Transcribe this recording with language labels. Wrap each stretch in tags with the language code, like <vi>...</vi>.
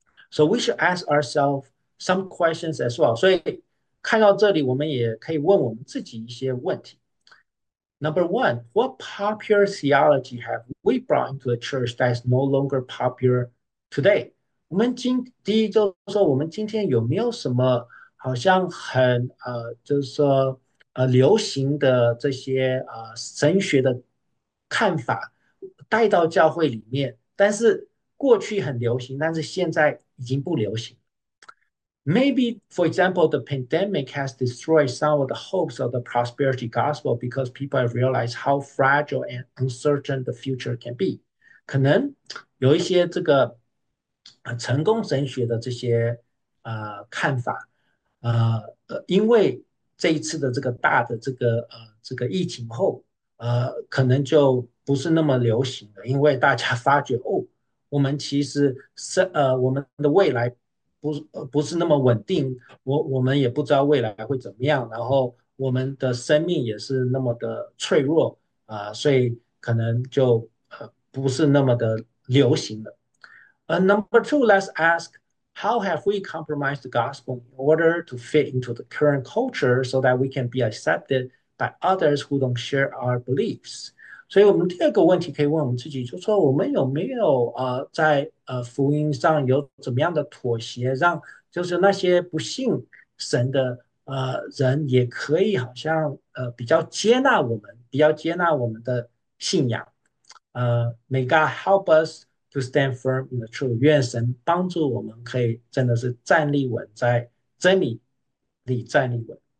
<en>So we should ask ourselves some questions as well。</en> <zh>所以看到这里，我们也可以问我们自己一些问题。</zh> <en>Number one, what popular theology have we brought into the church that is no longer popular today？</en> <zh>我们第一就是说，我们今天有没有什么好像很就是说。流行的这些神学的看法带到教会里面，但是过去很流行，但是现在已经不流行。</zh> <en>Maybe, for example, the pandemic has destroyed some of the hopes of the prosperity gospel because people have realized how fragile and uncertain the future can be。</en> <zh>可能有一些这个成功神学的这些看法，因为。这一次的这个大的这个疫情后，可能就不是那么流行了，因为大家发觉哦，我们其实是我们的未来不是那么稳定，我们也不知道未来会怎么样，然后我们的生命也是那么的脆弱所以可能就不是那么的流行了。</zh> <en>Number two, let's ask。 How have we compromised the gospel in order to fit into the current culture so that we can be accepted by others who don't share our beliefs?</en> <zh>所以我们第二个问题可以问我们自己，就说我们有没有在福音上有怎么样的妥协，让就是那些不信神的人也可以好像比较接纳我们，比较接纳我们的信仰。</zh> <en>May God help us to stand firm in the truth。</en> <zh>愿神帮助我们可以真的是站立稳在真理里站立稳。</zh>